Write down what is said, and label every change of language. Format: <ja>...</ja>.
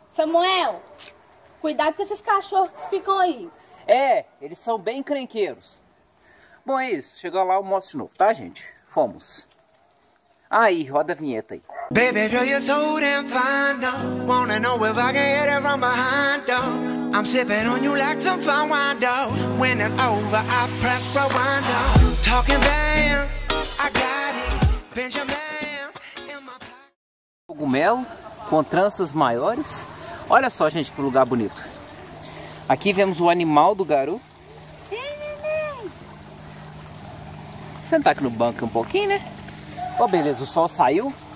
<pt>Samuel, cuidado com esses cachorros que ficam aí. Eles são bem crenqueiros. Bom, é isso. Chegou lá, eu mostro de novo, tá, gente? Fomos. Aí, roda a vinheta aí.</pt> <en>Baby, girl, you're so damn fine, though. Wanna know if I can hit it from behind, though. I'm sipping on you like some fine wine, though. When it's over, I press rewind, though. Talking bands, I got it. Benjamins in my pocket.</en> <pt>Cogumelo com tranças maiores. Olha só, gente, que lugar bonito. Aqui vemos o animal do Garu. Sentar aqui no banco um pouquinho, né? Oh, beleza, o sol saiu.</pt>